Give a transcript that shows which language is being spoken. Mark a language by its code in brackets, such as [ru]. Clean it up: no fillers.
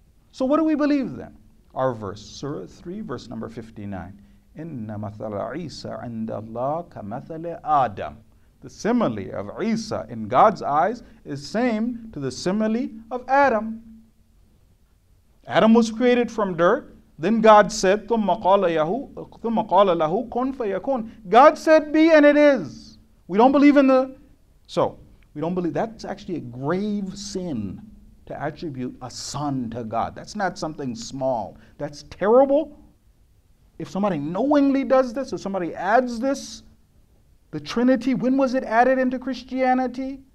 [en] So what do we believe then? Our verse, Surah 3, verse number 59. [ar] Inna mathala Isa inda Allah ka mathala Adam. [en] The simile of Isa in God's eyes is same to the simile of Adam. Adam was created from dirt. Then God said, [ar] ثُمَّ قَالَ لَهُ كُنْ فَيَكُونَ. [en] God said, be, and it is. We don't believe in the... So, we don't believe... That's actually a grave sin to attribute a son to God. That's not something small. That's terrible. If somebody knowingly does this, if somebody adds this, the Trinity, when was it added into Christianity?